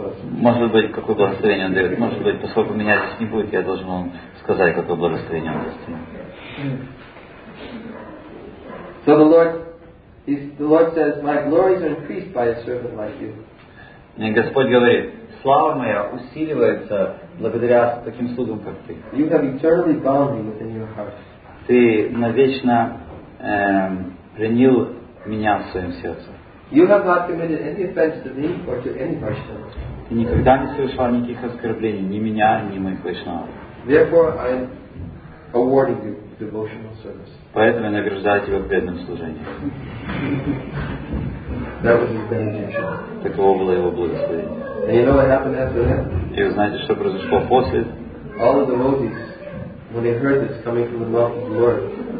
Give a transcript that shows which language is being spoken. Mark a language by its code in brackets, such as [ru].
[ru] Может быть, какое благословение он дает. Может быть, поскольку меня здесь не будет, я должен вам сказать, какое благословение он даст ему. [en] So the Lord says, my glories are increased by a servant like you. [ru] И Господь говорит, слава моя усиливается благодаря таким слугам, как ты. [en] You have eternally bound me within your heart. [ru] Ты навечно пленил меня в своем сердце. [en] You have not committed any offense to me or to any Vaishnava. [ru] Ты никогда не совершал никаких оскорблений ни меня, ни моих Вайшнава. [en] Therefore, I am awarding you devotional service. [ru] Поэтому я награждаю тебя преданным служением. [en] That was his benediction. [ru] Таково было его благословение. [en] And you know what happened after that? [ru] И вы знаете, что произошло после? [en] All of the devotees, when they heard this coming from the mouth of the Lord.